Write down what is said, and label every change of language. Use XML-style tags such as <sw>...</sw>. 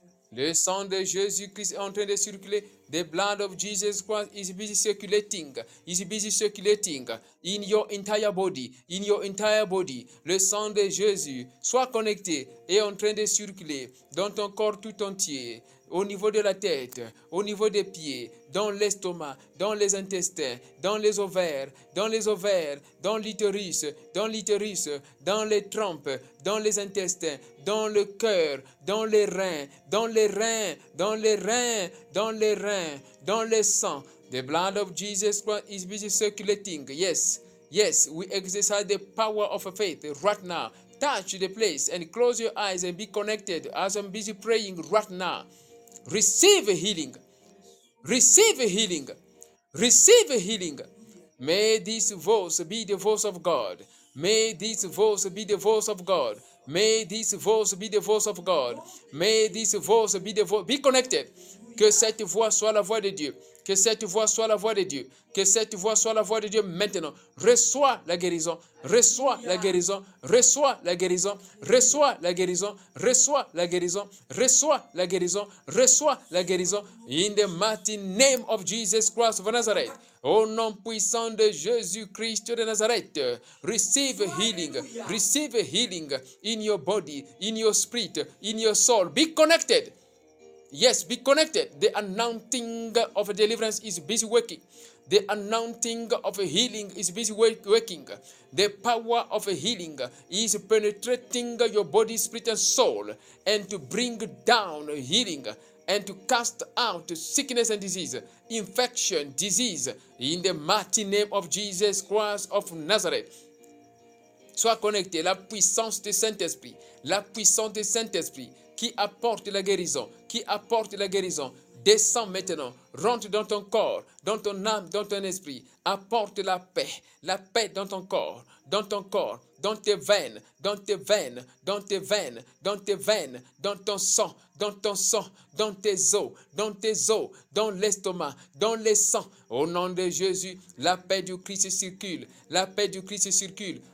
<fr>Le sang de Jésus-Christ est en train de circuler.</fr> <en>The blood of Jesus Christ is busy circulating. Is busy circulating in your entire body. In your entire body.</en> <fr>Le sang de Jésus soit connecté et en train de circuler dans ton corps tout entier. Au niveau de la tête, au niveau des pieds, dans l'estomac, dans les intestins, dans les ovaires, dans les ovaires, dans l'utérus, dans les trompes, dans les intestins, dans le cœur, dans les reins, dans les reins, dans les reins, dans les reins, dans le sang.</fr> <en>The blood of Jesus Christ is busy circulating. Yes, yes, we exercise the power of faith right now. Touch the place and close your eyes and be connected as I'm busy praying right now. Receive healing. Receive healing. Receive healing. May this voice be the voice of God. May this voice be the voice of God. May this voice be the voice of God. May this voice be the voice. Be connected.</en> <fr>Que cette voix soit la voix de Dieu. Que cette voix soit la voix de Dieu. Que cette voix soit la voix de Dieu maintenant. Reçois la guérison. Reçois la guérison. Reçois la guérison. Reçois la guérison. Reçois la guérison. Reçois la guérison. Reçois la guérison.</fr> <en>In the mighty name of Jesus Christ of Nazareth.</en> <fr>Au nom puissant de Jésus-Christ de Nazareth,</fr> <en>receive healing. Receive healing in your body, in your spirit, in your soul. Be connected. Yes, be connected. The anointing of deliverance is busy working. The anointing of healing is busy working. The power of healing is penetrating your body, spirit, and soul, and to bring down healing and to cast out sickness and disease, infection, disease, in the mighty name of Jesus Christ of Nazareth.</en> <fr>Sois connecté. La puissance du Saint-Esprit, la puissance du Saint-Esprit qui apporte la guérison, qui apporte la guérison, descend maintenant, rentre dans ton corps, dans ton âme, dans ton esprit, apporte la paix dans ton corps, dans tes veines, dans tes veines, dans tes veines, dans tes veines, dans ton sang, dans ton sang, dans tes os, dans tes os, dans l'estomac, dans les sangs. Au nom de Jésus, la paix du Christ circule, la paix du Christ circule.</fr>